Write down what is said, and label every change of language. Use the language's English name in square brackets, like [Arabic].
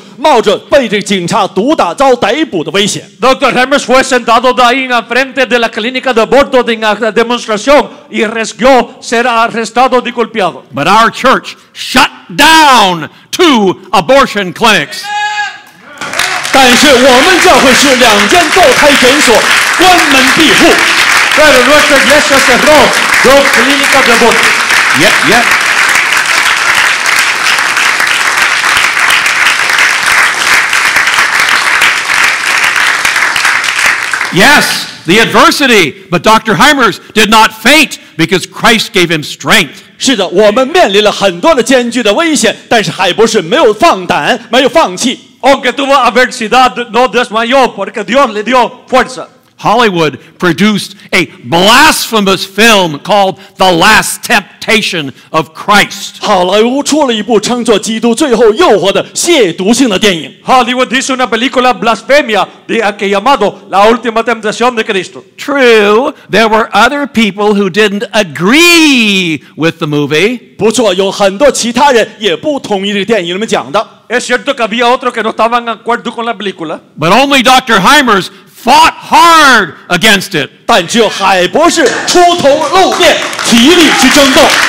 [Chinese] 海博士坐在这个堕胎诊所前的时候，冒着被这警察毒打遭逮捕的危险。 [Spanish] Dr. Hymers fue sentado de ahí en frente de la clínica de aborto de la demostración y riesgó ser arrestado y golpeado. [English] But our church shut down two abortion clinics. [Chinese] 但是我们教会是两间堕胎诊所关门闭户。 [Spanish] Pero nuestra iglesia cerró dos clínicas de aborto. [English] Yeah. Yes, the adversity, but Dr. Hymers did not faint because Christ gave him strength. [Chinese] 是的，我们面临了很多的艰巨的危险，但是海博士没有放胆，没有放弃。 [Spanish] Aunque tuvo adversidad, no desmayó porque Dios le dio fuerza. [English] Hollywood produced a blasphemous film called The Last Temptation of Christ. [Spanish] Hollywood hizo una película blasfemia de aquel llamado La Última Tentación de Cristo. [English] True, there were other people who didn't agree with the movie. [Chinese] 不错, 有很多其他人也不同意这个电影里面讲的。 [Spanish] Es cierto que había otros que no estaban de acuerdo con la película. [English] But only Dr. Hymers fought hard against it. [Chinese] 但只有海博士出头露面，极力去争斗。